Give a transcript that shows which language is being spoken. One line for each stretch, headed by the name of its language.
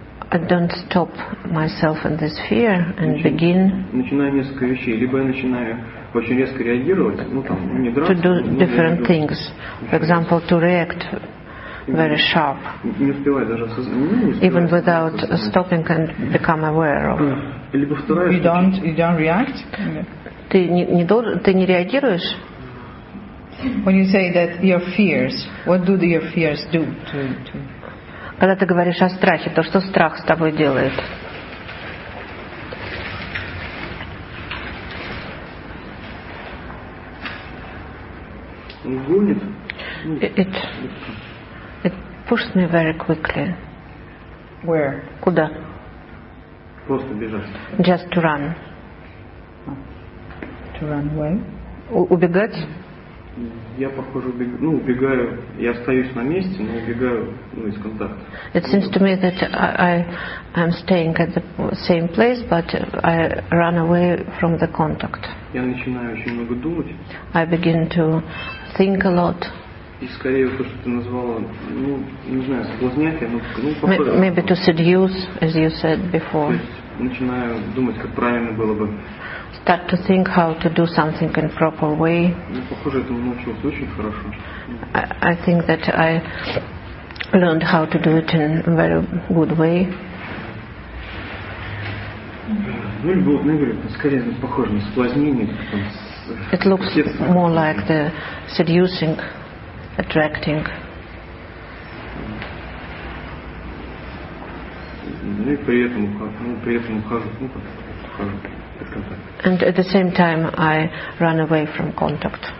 English: I don't stop myself in this fear and begin.
Russian: Начинаю несколько вещей, либо я начинаю очень резко реагировать, ну там, не драться.
English: To do different things, for example, to react very sharp.
Russian: Не успеваю даже осознать.
English: Even without stopping and become aware of.
Russian: Либо вторая.
English: You don't react.
Russian: Ты не реагируешь?
English: When you say that your fears, what do your fears do to?
Russian: Когда ты говоришь о страхе, то что страх с тобой делает? Гонит.
English: It pushes me very quickly. Where?
Russian: Куда? Просто бежать.
English: Just to run. To run away.
Russian: Убегать? Я похоже убегаю. Я остаюсь на месте, но убегаю из контакта.
English: It seems to me that I'm staying at the same place, but I run away from the contact.
Russian: Я начинаю очень много думать.
English: I begin to think a lot.
Russian: И скорее то, что ты назвала, ну не знаю, соблазнять, я ну похоже.
English: Maybe to seduce, as you said before.
Russian: Начинаю думать, как правильно было бы.
English: Start to think how to do something in proper way.
Russian: Похоже, этому научился очень хорошо.
English: I think that I learned how to do it in a very good way.
Russian: Ну, или было, наверное, скорее похоже на соблазнение.
English: It looks more like the seducing, attracting.
Russian: Ну и при этом ухожу, ну как ухожу.
English: And at the same time, I run away from contact.